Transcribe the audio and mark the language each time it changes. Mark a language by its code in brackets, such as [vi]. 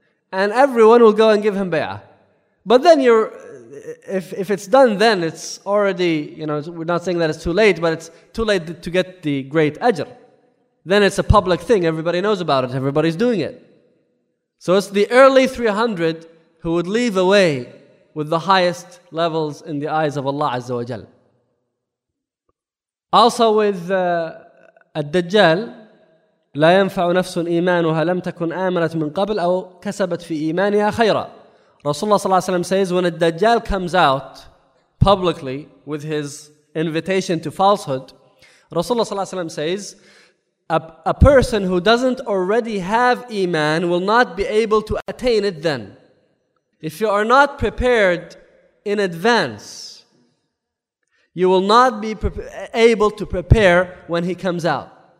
[en] And everyone will go and give him bay'ah. But then if it's done then, it's already, you know, we're not saying that it's too late, but it's too late to get the great ajr. Then it's a public thing, everybody knows about it, everybody's doing it. So it's the early 300 who would leave away with the highest levels in the eyes of Allah Azza wa Jal. Also with al-Dajjal, [ar] لا ينفع نفس إيمانها لم تكن آمنت من قبل أو كسبت في إيمانها خيرا. [en] Rasulullah صلى الله عليه وسلم says, when a Dajjal comes out publicly with his invitation to falsehood, Rasulullah صلى الله عليه وسلم says, a person who doesn't already have iman will not be able to attain it then. If you are not prepared in advance, you will not be able to prepare when he comes out.